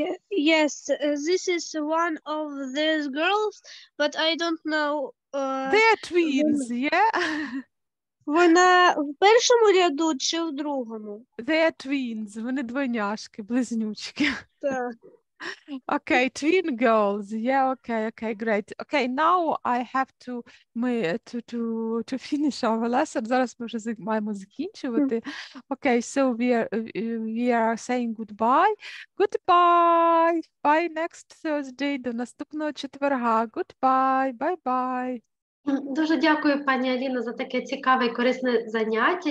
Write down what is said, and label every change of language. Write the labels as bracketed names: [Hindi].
[English] Yes, this is one of these girls, but I don't know. They're twins, yeah? [Ukrainian] Вона в першому ряду чи в другому? [English] They're twins, [Ukrainian] вони двойняшки, близнючки. Так. [English] Okay, twin girls, yeah, okay, great. Okay, now I have to finish our lesson. [Ukrainian] Зараз ми вже маємо закінчувати. [English] Okay, so we are saying goodbye. Goodbye! Bye next Thursday, [Ukrainian] до наступного четверга. [English] Goodbye, bye-bye. [Ukrainian] Дуже дякую, пані Аліно, за таке цікаве і корисне заняття.